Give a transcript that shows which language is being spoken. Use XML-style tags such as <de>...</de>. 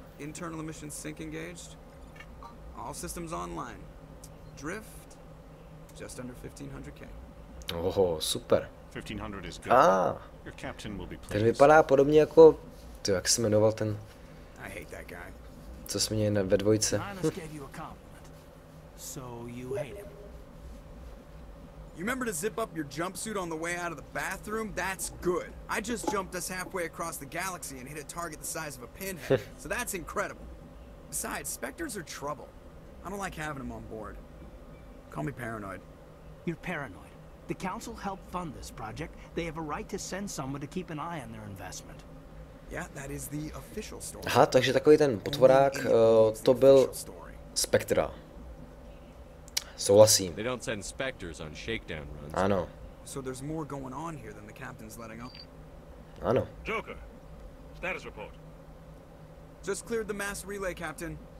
<en>Internal emission sync engaged. All systems online. Drift just under 1500K. Oho, super. 1500 is good. Your captain will be pleased.</en> <cs>Ten vypadá podobně jako to, jak se jmenoval ten.</cs> <en>I hate that guy.</en> <cs>Co jsi měl ve dvojce?</cs> <en>So you hate him. You remember to zip up your jumpsuit on the way out of the bathroom? That's good. I just jumped us halfway across the galaxy and hit a target the size of a pinhead, so that's incredible. Besides, specters are trouble. I don't like having them on board. Call me paranoid. You're paranoid. The Council helped fund this project. They have a right to send someone to keep an eye on their investment. Yeah, that is the official story.</en> <cs>Aha, takže takový ten potvorák, to byl Spectra. Souhlasím.</cs> <en>They don't send specters on shakedown runs.</en> <cs>Ano.</cs> <en>So there's more going on here than the captain's letting up.</en> <cs>Ano.</cs> <en>Joker. Status report. Just cleared the mass relay, Captain.</en>